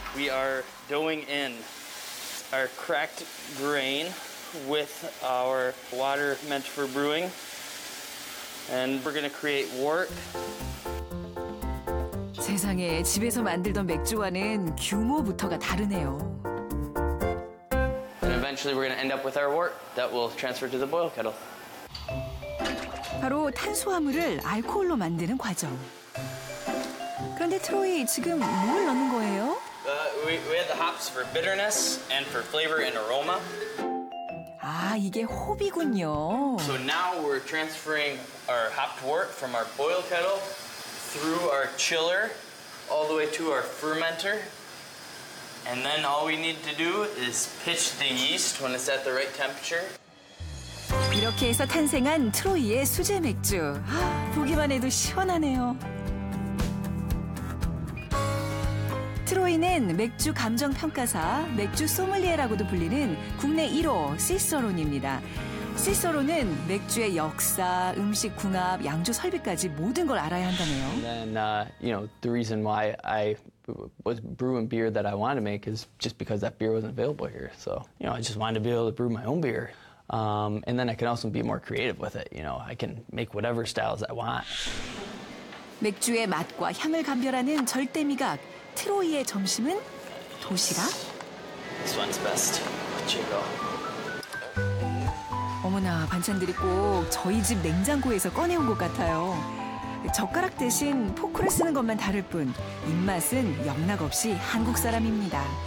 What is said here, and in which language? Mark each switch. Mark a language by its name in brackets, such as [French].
[English] are doing in our cracked grain with our water meant for brewing. And we're going to create wort. [Korean] 세상에 집에서 만들던 맥주와는 규모부터가 다르네요. [English] And eventually we're going to end up with our wort that will transfer to the boil kettle. [Korean] 바로 탄수화물을 알코올로 만드는 과정. 그런데 트로이 지금 뭘 넣는 거예요? [English] We had the hops for bitterness and for flavor and aroma. [Korean] 아, 이게 홉이군요. [English] So now we're transferring our hopped wort from our boil kettle through our chiller all the way to our fermenter. And then all we need to do is pitch the yeast when it's at the right temperature. [Korean] 이렇게 해서 탄생한 트로이의 수제 맥주. 보기만 해도 시원하네요. 트로이는 맥주 감정 평가사, 맥주 소믈리에라고도 불리는 국내 1호 시스론입니다. 시스론은 맥주의 역사, 음식 궁합, 양조 설비까지 모든 걸 알아야 한다네요. [English] And then, you know, the reason why I was brewing beer that I wanted to make is just because that beer wasn't available here. So, you know, I just wanted to be able to brew my own beer. And then I can also be more creative with it. You know, I can make whatever styles I want. [Korean] 맥주의 맛과 향을 감별하는 절대 미각. 트로이의 점심은 도시락? [English] This one's best. Chico. [Korean] 어머나, 반찬들이 꼭 저희 집 냉장고에서 꺼내온 것 같아요. 젓가락 대신 포크를 쓰는 것만 다를 뿐 입맛은 영락 없이 한국 사람입니다.